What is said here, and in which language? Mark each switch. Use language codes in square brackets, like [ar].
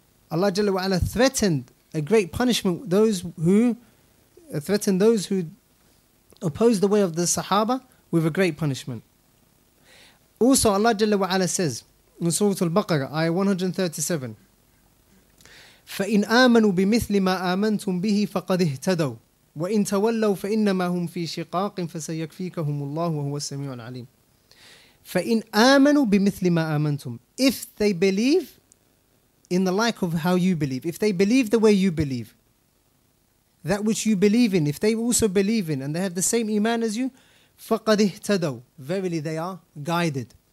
[en] Allah Jalla wa'ala threatened a great punishment those who opposed the way of the Sahaba with a great punishment. Also Allah Jalla wa'ala says in Surah Al-Baqarah, ayah 137, [ar] فَإِنْ آمَنُوا بِمِثْلِ مَا آمَنْتُمْ بِهِ فَقَدْ اِهْتَدَوْا وَإِنْ تَوَلَّوْا فَإِنَّمَا هُمْ فِي شِقَاقٍ فَسَيَكْفِيكَهُمُ اللَّهُ وَهُوَ السَّمِيعُ الْعَلِيمُ. فَإِنْ آمَنُوا بِمِثْلِ مَا آمَنْتُمْ. [en] If they believe in the like of how you believe, if they believe the way you believe, that which you believe in, if they also believe in and they have the same iman as you, [ar] فَقَدْ اِهْتَدَوْا. [en] Verily they are guided.